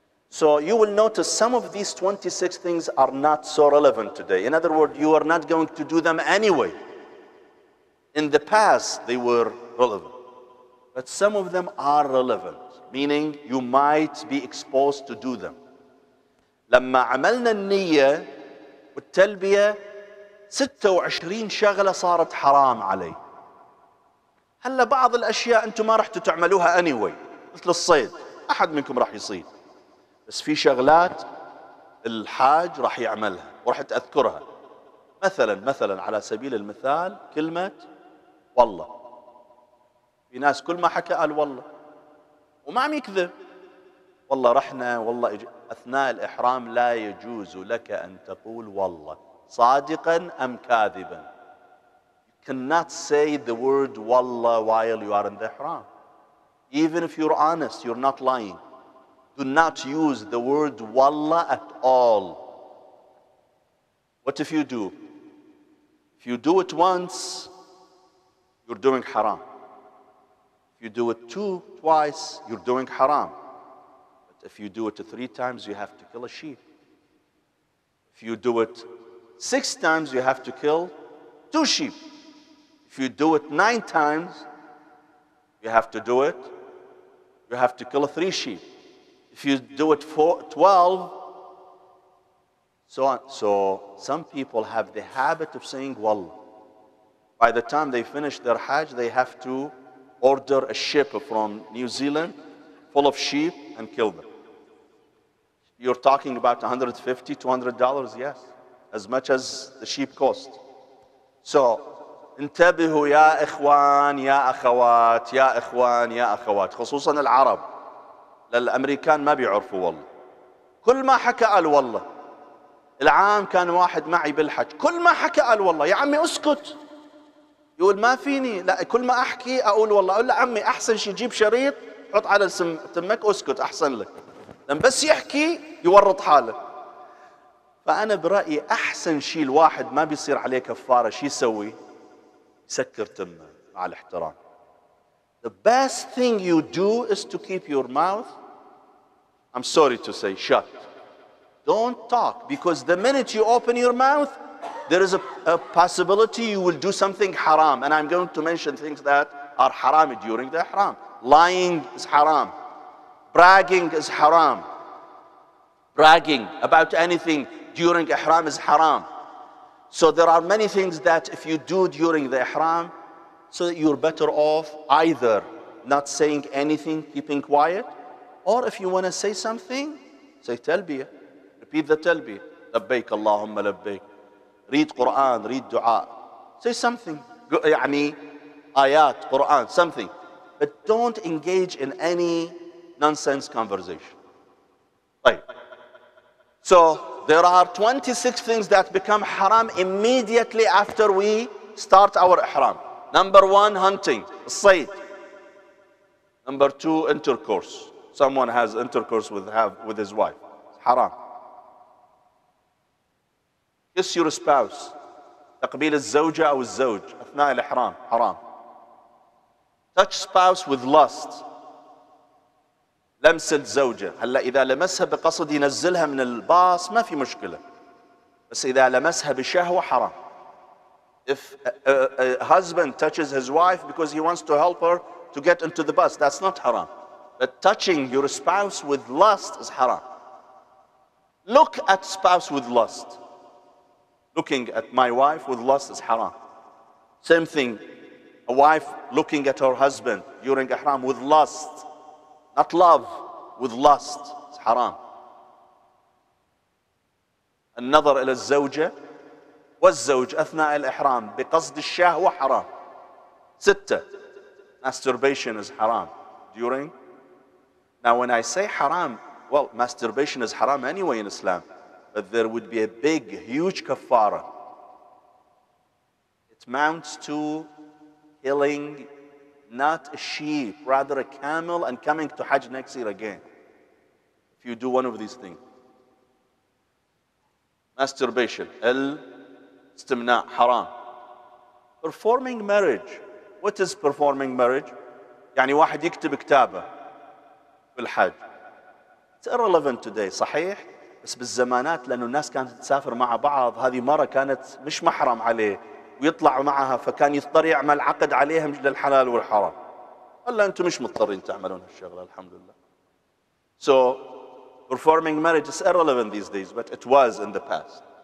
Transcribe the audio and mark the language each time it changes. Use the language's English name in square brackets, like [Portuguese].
[English] So you will notice some of these 26 things are not so relevant today. In other words, you are not going to do them anyway. In the past, they were relevant. But some of them are relevant, meaning you might be exposed to do them. [Arabic] لما عملنا النية والتلبية 26 شغلة صارت حرام علي. هلا بعض الأشياء أنتم ما رح تعملوها [English] anyway. [Arabic] مثل الصيد، أحد منكم رح يصيد. بس في شغلات الحاج رح يعملها ورح تأذكرها. مثلا على سبيل المثال كلمة والله. في ناس كل ما حكى قال والله وما عم يكذب والله رحنا والله أثناء الإحرام لا يجوز لك أن تقول والله صادقا أم كاذبا. [English] You cannot say the word والله while you are in the ihram. Even if you're honest, you're not lying. Do not use the word والله at all. What if you do? If you do it once, you're doing haram. You do it twice, you're doing haram. But if you do it 3 times, you have to kill a sheep. If you do it 6 times, you have to kill 2 sheep. If you do it 9 times, you have to do it, you have to kill 3 sheep. If you do it 12, so on. So some people have the habit of saying wallah. By the time they finish their hajj, they have to order a ship from New Zealand full of sheep and kill them. You're talking about $150, $200, yes. as much as the sheep cost. [Arabic] So, انتبهوا يا إخوان يا أخوات يا إخوان يا أخوات خصوصا العرب للأمريكان ما بيعرفوا والله كل ما حكى قال والله العام كان واحد معي بالحج كل ما حكى قال والله يا عمي أسكت يقول ما فيني لا كل ما أحكي أقول والله أقول له عمي أحسن شي جيب شريط حط على تمك أسكت أحسن لك لما بس يحكي يورط حاله فأنا برأيي أحسن شي الواحد ما بيصير عليه كفارة شي يسوي يسكر تمه مع الاحترام [English] The best thing you do is to keep your mouth I'm sorry to say shut Don't talk because the minute you open your mouth There is a possibility you will do something haram. And I'm going to mention things that are haram during the ihram. Lying is haram. Bragging is haram. Bragging about anything during ihram is haram. So there are many things that if you do during the ihram, so that you're better off either not saying anything, keeping quiet, or if you want to say something, say talbiyah. Repeat the talbiyah. Labbaik Allahumma labbaik. Read Quran, read dua. Say something. [Arabic] يعني آيات, [English] Quran, something. But don't engage in any nonsense conversation. So there are 26 things that become haram immediately after we start our ihram. Number one, hunting. الصيد. Number two, intercourse. Someone has intercourse with his wife. Haram. Kiss your spouse. [Arabic] تقبيل الزوجة أو الزوج أثناء الإحرام. حرام. [English] Touch spouse with lust. [Arabic] لمس الزوجة. هلا إذا لمسها بقصد ينزلها من الباص ما في مشكلة. بس إذا لمسها بشهوة حرام. [English] If a husband touches his wife because he wants to help her to get into the bus, that's not haram. But touching your spouse with lust is haram. Look at spouse with lust. Looking at my wife with lust is haram. Same thing, a wife looking at her husband during ihram with lust, not love, with lust is haram. [Arabic] النظر إلى الزوجة والزوج أثناء الإحرام بقصد الشهوة حرام. ستة, [English] masturbation is haram during. Now when I say haram, well, masturbation is haram anyway in Islam. But there would be a big, huge kafara. It amounts to killing not a sheep, rather a camel, and coming to Hajj next year again. If you do one of these things. Masturbation. Al-istimna, haram. Performing marriage. What is performing marriage? [Arabic] يعني واحد يكتب كتابة في الحج. [English] It's irrelevant today, [Arabic] صحيح؟ بس بالزمانات لأنه الناس كانت تسافر مع بعض هذه مرة كانت مش محرم عليه ويطلع معها فكان يضطر يعمل عقد عليهم للحلال والحرام ألا أنتم مش مضطرين تعملون هالشغلة الحمد لله [English] So performing marriage is irrelevant these days but it was in the past